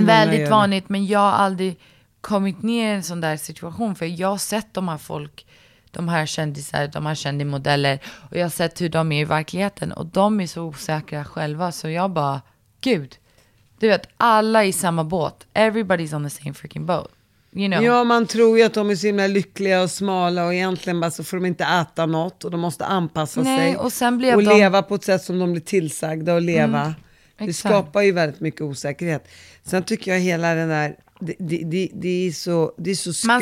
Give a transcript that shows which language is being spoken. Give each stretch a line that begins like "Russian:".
Swedish: väldigt vanligt, men jag har aldrig... kommit ner i en sån där situation. För jag har sett de här folk, de här kändisar, de här kända modeller, och jag har sett hur de är i verkligheten, och de är så osäkra själva. Så jag bara, gud, du vet, alla är i samma båt.
English: Everybody's on the same freaking boat, you know?
Swedish: Ja, man tror ju att de är så himla lyckliga och smala, och egentligen bara så får de inte äta något, och de måste anpassa sig och, sen blev och de... leva på ett sätt som de blir tillsagda att leva. Det skapar ju väldigt mycket osäkerhet. Sen tycker jag hela den där, det är så skruvat.